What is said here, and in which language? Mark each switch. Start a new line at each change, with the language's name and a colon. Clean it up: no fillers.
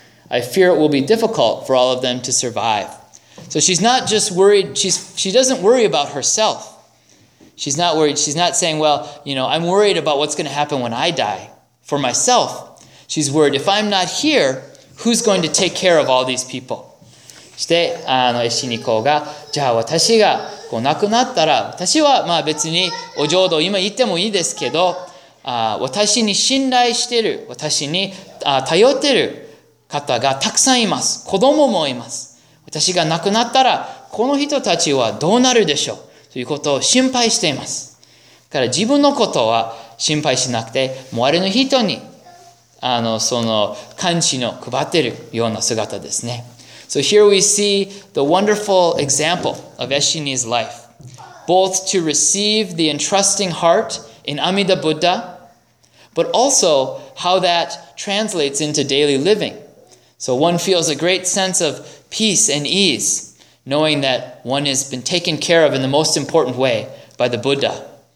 English: I fear it will be difficult for all of them to survive. So she's not just worried, she doesn't worry about herself. She's not worried, she's not saying, well, you know, I'm worried about what's going to happen when I die for myself. She's worried, if I'm not here, who's going to take care of all these people?
Japanese: そして、エシニコが、じゃあ私がこう亡くなったら、私はまあ別にお浄土今行ってもいいですけど、私に信頼してる、私に頼ってる方がたくさんいます。子供もいます。私が亡くなったら、この人たちはどうなるでしょう？ということを心配しています。だから自分のことは心配しなくて、もうあれの人に、その感謝の配ってるような姿ですね。
English: So here we see the wonderful example of Eshini's life, both to receive the entrusting heart in Amida Buddha, but also how that translates into daily living. So one feels a great sense of peace and ease, knowing that one has been taken care of in the most important way by the Buddha.